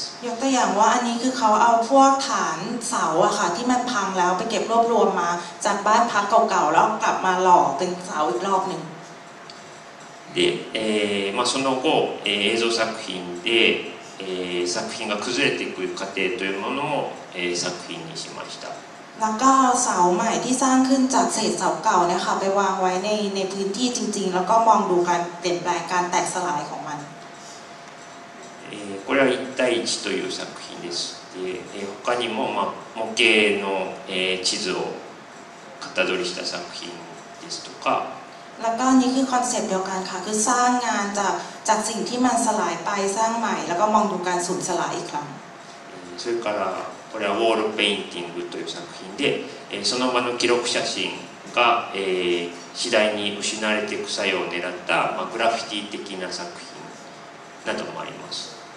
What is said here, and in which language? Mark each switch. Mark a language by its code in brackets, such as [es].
[th] ยกตัวอย่างว่าอันนี้คือเขาเอาพวกฐานเสาอะค่ะที่มันพังแล้วไปเก็บรวบรวมมาจากบ้านพักเก่าๆแล้วกลับมาหล่อเป็นเสาอีกรอบหนึ่ง [ja] でその後映像作品で作品が崩れていく過程というものも作品にしました。 [th] แล้วก็เสาใหม่ที่สร้างขึ้นจากเศษเสาเก่าเนี่ยค่ะไปวางไว้ในพื้นที่จริงๆแล้วก็มองดูการเปลี่ยนแปลงการแตกสลายของมัน [ja] これは一対一という作品です。他にも模型の地図を型取りした作品ですとか、 [th] แล้วก็นี่คือคอนเซปต์เดียวกันค่ะคือสร้างงานจากสิ่งที่มันสลายไปสร้างใหม่แล้วก็มองดูการสูญสลายอีกครั้ง [ja] それからこれはウォールペインティングという作品で、その場の記録写真が、次第に失われていく作用を狙った、まあ、グラフィティ的な作品などもあります。